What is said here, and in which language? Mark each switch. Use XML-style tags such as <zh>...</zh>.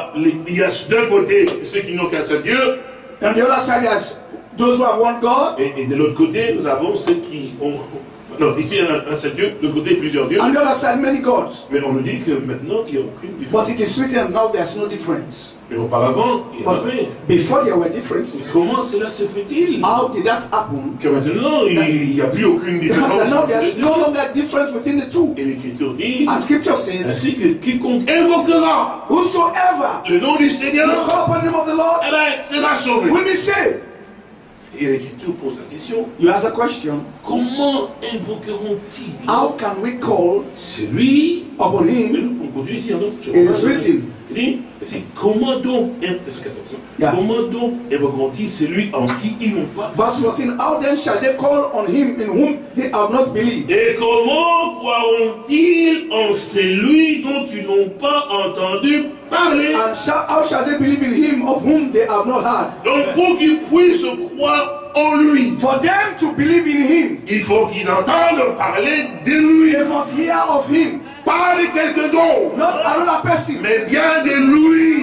<fr>Il y a d'un côté ceux qui n'ont qu'un seul Dieu.</fr> <en>And the other side has those who have one God.</en> <fr>Et de l'autre côté, nous avons ceux qui ont. Non, ici il y a un seul Dieu, de côté plusieurs dieux.</fr> <en>And the other side many gods.</en> <fr>Mais on nous dit que maintenant il n'y a aucune différence.</fr> <en>But it is written now there's no difference.</en> <fr>Mais auparavant, il y avait.</fr> <en>Before there were differences.</en> <fr>Comment cela se fait-il?</fr> <en>How did that happen?</en> <fr>Que maintenant il n'y a plus aucune différence.</fr> <en>And now there's no longer difference between the two.</en> <fr>Et l'Écriture dit.</fr> <en>And Scripture says.</en> <fr>Ainsi que quiconque invoquera</fr> <en>whosoever</en> <fr>le nom du Seigneur,</fr> <en>will call upon the name of the Lord,</en> <fr>eh bien, sera sauvé.</fr> <en>Will be saved.</en> <fr>Et l'Écriture pose la question.</fr> <en>You ask a question.</en> <fr>Comment invoquerons-ils?</fr> <en>How can we call</en> <fr>celui</fr> <en>upon him?</en> <fr>On continue ici, non? Il est</fr> <en>written.</en> <fr>Il dit, comment donc? Comment donc invoquerons-ils celui en qui ils n'ont pas?</fr> <en>Verse 14. How then shall they call on him in whom they have not believed?</en> <fr>Et comment croiront-ils en celui dont tu n'as pas entendu parler?</fr> <en>And how shall they believe in him of whom they have not heard?</en> <fr>Donc pour qu'ils puissent croire. En lui.</fr> <en>For them to believe in him,</en> <fr>il faut qu'ils entendent parler de lui.</fr> <en>They must hear of him.</en> <fr>Pas de quelqu'un d'autre.</fr> <en>Not another person.</en> <fr>Mais bien de lui.</fr>